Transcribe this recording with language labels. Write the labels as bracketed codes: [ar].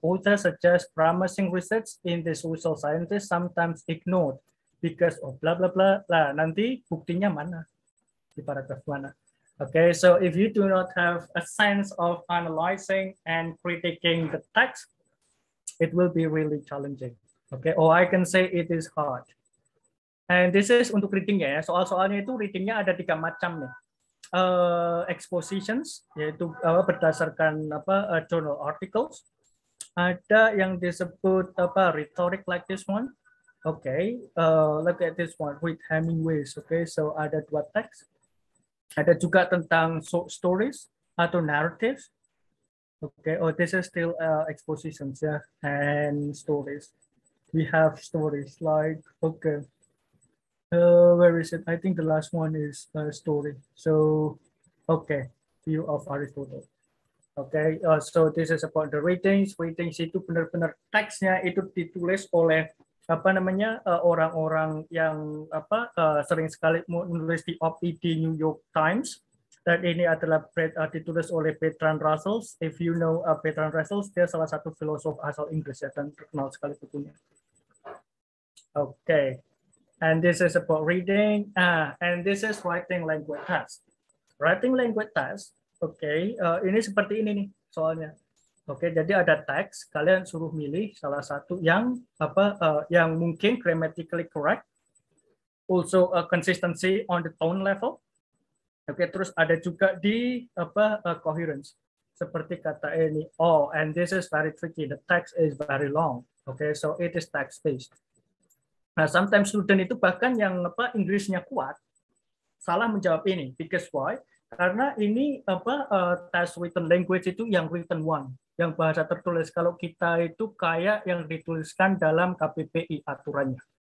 [en] Authors suggest promising research in the social sciences sometimes ignored. Because of blah blah blah [id] lah nanti buktinya mana di paragraf mana. Okay, so if you do not have a sense of analyzing and critiquing the text, it will be really challenging. Okay, or I can say it is hard. [en] And this is [id] untuk readingnya ya. Soal-soalnya itu readingnya ada 3 macam nih. Expositions yaitu berdasarkan apa journal articles. Ada yang disebut apa rhetoric like this one. [en] Okay, look at this one with Hemingway. Okay, so [id] ada 2 teks. Ada juga tentang short stories atau narratives. [en] Okay, oh this is still expositions, yeah, and stories. We have stories like okay. Where is it? I think the last one is a story. So, okay, view of Aristotle. Okay, so this is about the readings. [id] Readings itu benar-benar teksnya itu ditulis oleh apa namanya orang-orang yang apa sering sekali menulis di OPD New York Times dan ini adalah ditulis oleh Bertrand Russell. [en] If you know [id] Bertrand Russell, dia salah satu filosof asal Inggris ya dan terkenal sekali bukunya. [en] Okay, and this is about reading and this is writing language test. Writing language test, okay, [id] ini seperti ini nih soalnya. Oke, jadi ada teks, kalian suruh milih salah satu yang apa yang mungkin [en] grammatically correct, also a consistency on the tone level. [id] Oke, terus ada juga di apa coherence. Seperti kata ini, [en] oh and this is very tricky, the text is very long. Oke, so it is text based. [id] Nah, sometimes student itu bahkan yang apa Inggrisnya kuat salah menjawab ini [en] because why? [id] Karena ini apa test written language itu yang written one. Yang bahasa tertulis kalau kita itu kayak yang dituliskan dalam KPPI aturannya.